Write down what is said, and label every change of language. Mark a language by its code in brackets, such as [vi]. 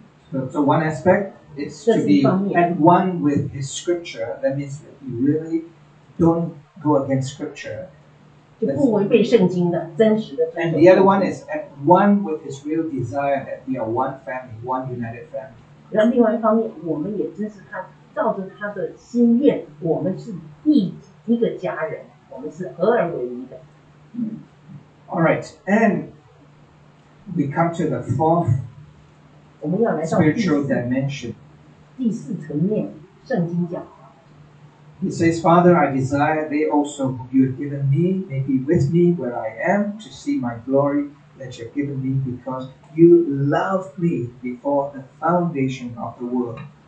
[en] So one aspect is to be at one with His scripture. That means that you really don't go against scripture. [zh] 就不违背圣经的真实的。 [en] And the other one is at one with his real desire that we are one family, one united family. [zh] 然后另外一方面，我们也真是他照着他的心愿，我们是一个家人，我们是合而为一的。 [en] All right, and we come to the fourth spiritual dimension. [zh] 第四层面，圣经讲。 [en] He says, Father, I desire they also whom you have given me may be with me where I am to see my glory that you have given me because you loved me before the foundation of the world.